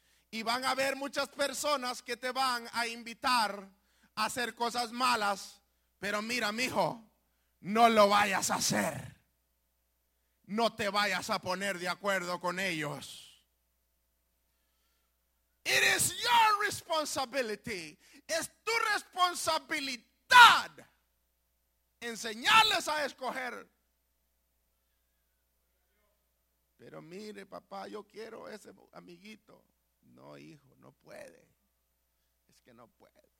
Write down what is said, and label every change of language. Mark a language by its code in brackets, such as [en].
[es] Y van a haber muchas personas que te van a invitar a hacer cosas malas. Pero mira, mi hijo, no lo vayas a hacer. No te vayas a poner de acuerdo con ellos. [en] It is your responsibility. [es] Es tu responsabilidad enseñarles a escoger. Pero mire, papá, yo quiero ese amiguito. No, hijo, no puede. Es que no puede.